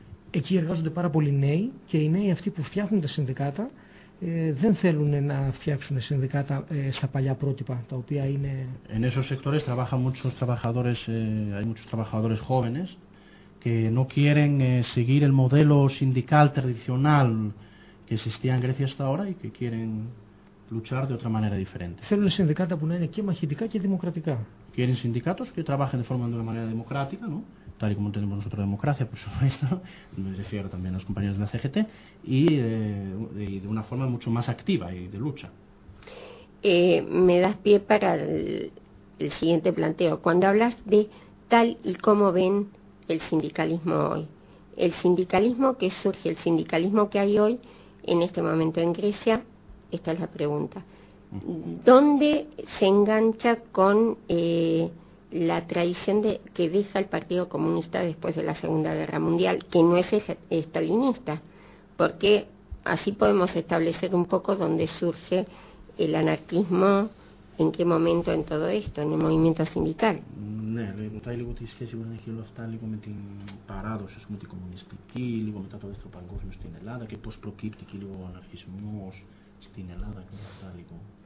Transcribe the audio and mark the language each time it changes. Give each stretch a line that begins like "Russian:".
Greek: Εκεί εργάζονται πάρα πολλοί νέοι και οι νέοι αυτοί που φτιάχνουν τα συνδικάτα δεν θέλουν να φτιάξουν συνδικάτα στα παλιά πρότυπα, τα οποία είναι...
Spanish: En esos sectores trabajan muchos trabajadores, hay muchos trabajadores jóvenes que no quieren seguir el modelo sindical tradicional que existía en Grecia hasta ahora y que quieren luchar de otra manera diferente.
Greek: Θέλουν συνδικάτα που να είναι και μαχητικά και δημοκρατικά.
Spanish: Quieren sindicatos que trabajen de forma de una manera democrática, ¿no? Tal y como tenemos nosotros democracia, por supuesto, me refiero también a los compañeros de la CGT, y de una forma mucho más activa y de lucha. Me das pie para el siguiente planteo. Cuando hablas de tal y como ven el sindicalismo hoy, el sindicalismo que surge, el sindicalismo que hay hoy en este momento en Grecia, esta es la pregunta. ¿Dónde se engancha con la tradición que deja el Partido Comunista después de la Segunda Guerra Mundial, que no es estalinista? Porque así podemos establecer un poco dónde surge el anarquismo, en qué momento en todo esto, en el movimiento sindical.
Greek: Ναι, λίγο τη σχέση που έχει όλο αυτά λίγο με την παράδοση, με την κομμουνιστική, λίγο μετά το δεύτερο παγκόσμιο στην Ελλάδα και πώς προκύπτει και λίγο ο αναρχισμός στην Ελλάδα και αυτά λίγο.